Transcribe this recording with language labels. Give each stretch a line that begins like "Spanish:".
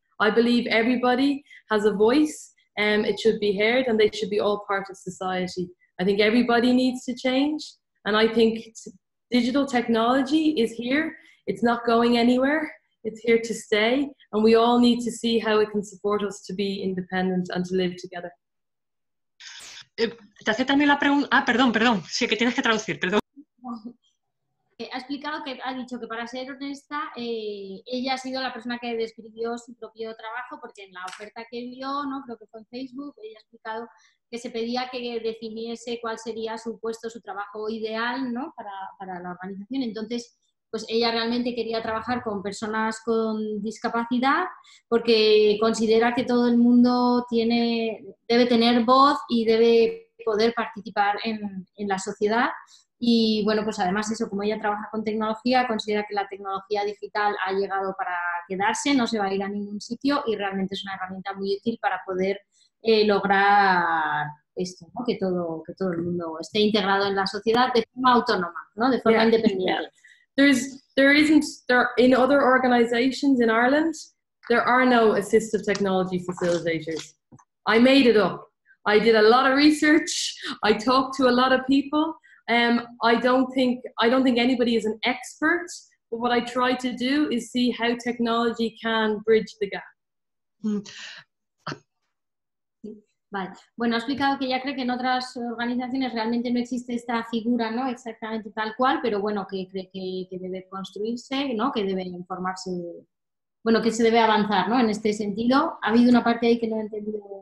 English: I believe everybody has a voice, and it should be heard, and they should be all part of society. I think everybody needs to change, and I think digital technology is here. It's not going anywhere. It's here to stay, and we all need to see how it can support us to be independent and to live together.
Spanish: Te hace también la pregunta. Ah, perdón. Sí, que tienes que traducir, perdón. Ha explicado que ha dicho que, para ser honesta, ella ha sido la persona que describió su propio trabajo, porque en la oferta que vio, ¿no?, creo que fue en Facebook, ella ha explicado que se pedía que definiese cuál sería su puesto, su trabajo ideal, ¿no?, para la organización. Entonces, pues ella realmente quería trabajar con personas con discapacidad porque considera que todo el mundo debe tener voz y debe poder participar en la sociedad. Y bueno, pues además eso, como ella trabaja con tecnología, considera que la tecnología digital ha llegado para quedarse, no se va a ir a ningún sitio y realmente es una herramienta muy útil para poder lograr esto, ¿no? Que todo el mundo esté integrado en la sociedad de forma autónoma, ¿no? De forma independiente.
English: There isn't in other organizations in Ireland, there are no assistive technology facilitators. I made it up. I did a lot of research. I talked to a lot of people. I don't think anybody is an expert, but what I try to do is see how technology can bridge the gap.
Spanish: Vale. Bueno, ha explicado que ya cree que en otras organizaciones realmente no existe esta figura, ¿no?, exactamente tal cual, pero bueno, que cree que debe construirse, ¿no?, que debe informarse, bueno, que se debe avanzar, ¿no?, en este sentido. Ha habido una parte ahí que no he entendido.